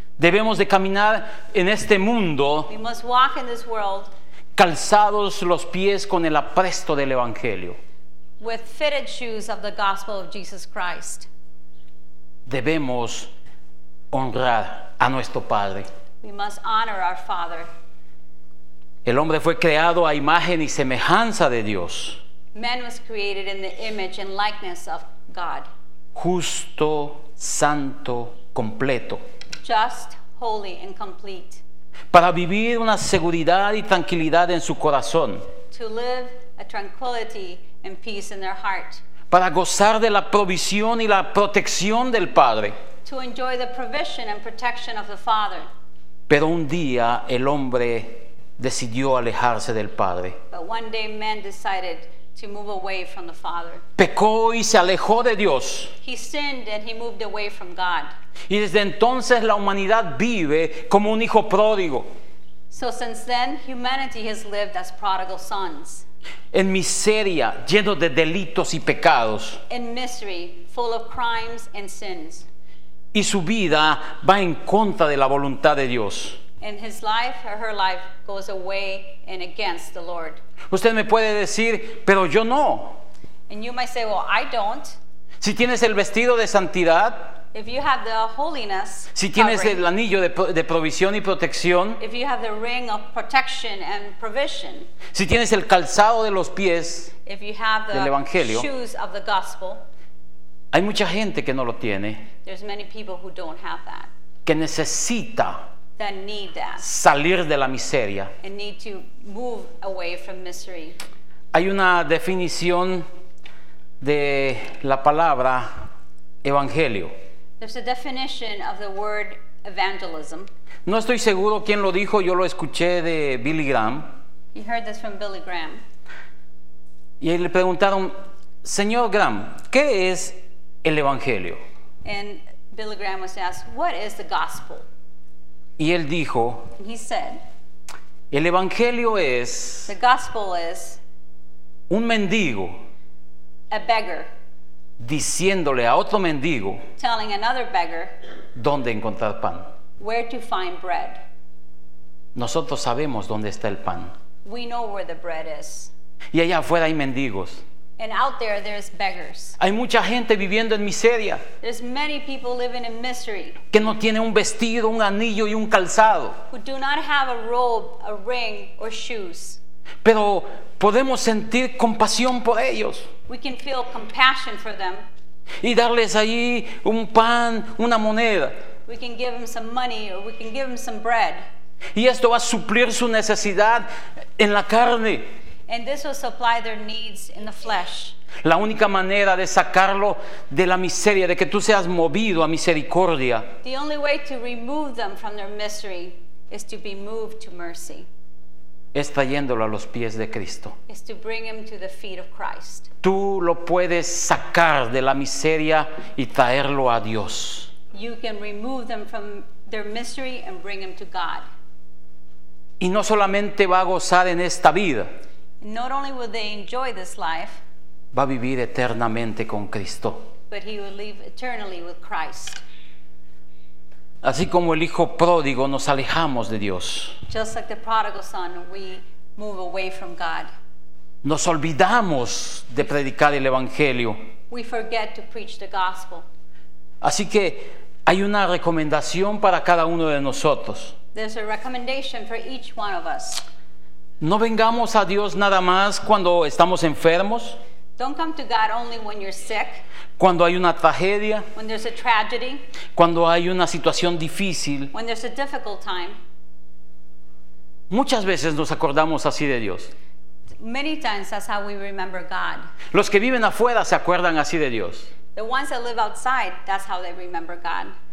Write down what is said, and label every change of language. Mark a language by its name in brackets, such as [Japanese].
[Spanish] Debemos de caminar en este mundo. [English] We must walk in this world. [Spanish] Calzados los pies con el apresto del evangelio. [English] With fitted shoes of the gospel of Jesus Christ. [Spanish] Debemos honrar a nuestro Padre. [English] We must honor our Father. [Spanish] El hombre fue creado a imagen y semejanza de Dios. [English] Man was created in the image and likeness of God. [Spanish] Justo, santo, completo. [English] Just, holy, and complete. [Spanish] Para vivir una seguridad y tranquilidad en su corazón. [English] To live a tranquility and peace in their heart. [Spanish] Para gozar de la provisión y la protección del Padre. [English] To enjoy the provision and protection of the Father. [Spanish] Pero un día el hombre decidió alejarse del Padre. [English] But one day man decided to move away from the Father. [Spanish] Pecó y se alejó de Dios. [English] He sinned and he moved away from God. [Spanish] Y desde entonces la humanidad vive como un hijo pródigo. [English] So since then humanity has lived as prodigal sons. [Spanish] En miseria, lleno de delitos y pecados. [English] In misery, full of crimes and sins. [Spanish] Y su vida va en contra de la voluntad de Dios. [English] And his life or her life goes away and against the Lord. [Spanish] Usted me puede decir, pero yo no. [English] And you might say, well, I don't. [Spanish] Si tienes el vestido de santidad. [English] If you have the holiness. [Spanish] Si tienes el anillo de provisión y protección. [English] If you have the ring of protection and provision. [Spanish] Si tienes el calzado de los pies. [English] If you have the shoes of the gospel. [Spanish] Hay mucha gente que no lo tiene. [English] There's many people who don't have that. [Spanish] Que necesita. [English] That need that. [Spanish] Salir de la miseria. [English] And need to move away from misery. [Spanish] Hay una definición de la palabra evangelio. [English] There's a definition of the word evangelism. [Spanish] No estoy seguro quién lo dijo, yo lo escuché de Billy Graham. [English] He heard this from Billy Graham. [Spanish] Y le preguntaron, Señor Graham, ¿qué es el evangelio? [English] And Billy Graham was asked, what is the gospel? [Spanish] Y él dijo, [English] he said, [Spanish] el evangelio es, [English] the gospel is, [Spanish] un mendigo, [English] a beggar, [Spanish] diciéndole a otro mendigo, [English] telling another beggar, [Spanish] dónde encontrar pan, [English] where to find bread. [Spanish] Nosotros sabemos dónde está el pan. [English] We know where the bread is. [Spanish] Y allá afuera hay mendigos. [English] And out there, there's beggars. [Spanish] Hay mucha gente viviendo en miseria. [English] There's many people living in misery. [Spanish] Que no tiene un vestido, un anillo y un calzado. [English] Who do not have a robe, a ring, or shoes. [Spanish] Pero podemos sentir compasión por ellos. [English] We can feel compassion for them. [Spanish] Y darles allí un pan, una moneda. [English] We can give them some money, or we can give them some bread. [Spanish] Y esto va a suplir su necesidad en la carne. [English] And this will supply their needs in the flesh. [Spanish] La única manera de sacarlo de la miseria, de que tú seas movido a misericordia. [English] The only way to remove them from their misery is to be moved to mercy. [Spanish] Es trayéndolo a los pies de Cristo. [English] Is to bring him to the feet of Christ. [Spanish] Tú lo puedes sacar de la miseria y traerlo a Dios. [English] You can remove them from their misery and bring him to God. [Spanish] Y no solamente va a gozar en esta vida. [English] Not only will they enjoy this life, [Spanish] va a vivir eternamente con Cristo. [English] But he will live eternally with Christ. [Spanish] Así como el hijo pródigo, nos alejamos de Dios. [English] Just like the prodigal son, we move away from God. [Spanish] Nos olvidamos de predicar el evangelio. [English] We forget to preach the gospel. [Spanish] Así que hay una recomendación para cada uno de nosotros. [English] There's a recommendation for each one of us. [Spanish] No vengamos a Dios nada más cuando estamos enfermos. [English] Don't come to God only when you're sick. [Spanish] Cuando hay una tragedia. [English] When there's a tragedy. [Spanish] Cuando hay una situación difícil. [English] When there's a difficult time. [Spanish] Muchas veces nos acordamos así de Dios. [English] Many times that's how we remember God. [Spanish] Los que viven afuera se acuerdan así de Dios. [English] The ones that live outside, that's how they remember God.